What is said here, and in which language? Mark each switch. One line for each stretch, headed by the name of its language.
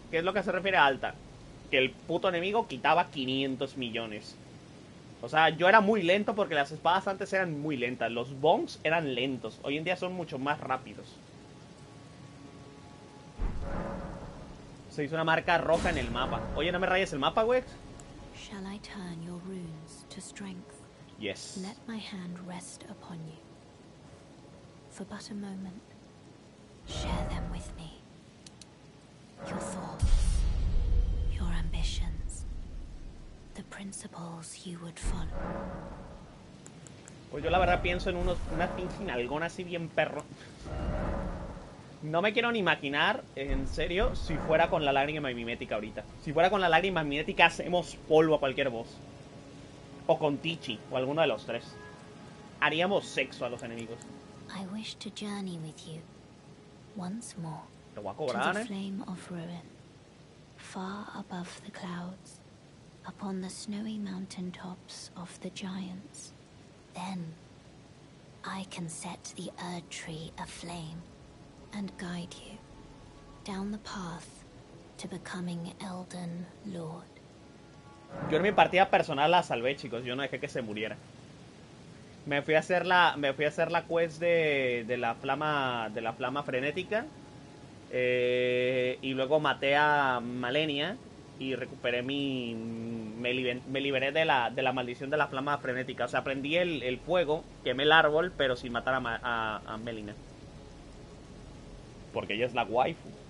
Spanish: ¿Qué es lo que se refiere a alta? Que el puto enemigo quitaba 500 millones. O sea, yo era muy lento porque las espadas antes eran muy lentas. Los bongs eran lentos. Hoy en día son mucho más rápidos. Se hizo una marca roja en el mapa. Oye, no me rayes el mapa, güey.
English: Shall I turn your runes to strength? Yes. Let my hand rest upon you. For but a moment, share them with me. Your thoughts, your ambitions, the principles you would follow.
Spanish: Pues yo la verdad pienso en una pinche nalgona así bien perro. No me quiero ni imaginar, en serio, si fuera con la lágrima mimética ahorita. Si fuera con la lágrima mimética, hacemos polvo a cualquier voz. O con Tichi, o alguno de los tres. Haríamos sexo a los enemigos.
English: I wish to journey with you once more.
Spanish: Lo voy a cobrar,
English: to the flame of ruin, far above the clouds, upon the snowy mountain tops of the giants. Then I can set the Erd Tree aflame and guide you down the path to becoming Elden Lord.
Spanish: Yo en mi partida personal la salvé, chicos. Yo no dejé que se muriera. Me fui a hacer la quest de la flama frenética, y luego maté a Malenia y recuperé mi... me liberé de la maldición de la flama frenética. O sea, prendí el fuego, quemé el árbol, pero sin matar a Melina. Porque ella es la waifu.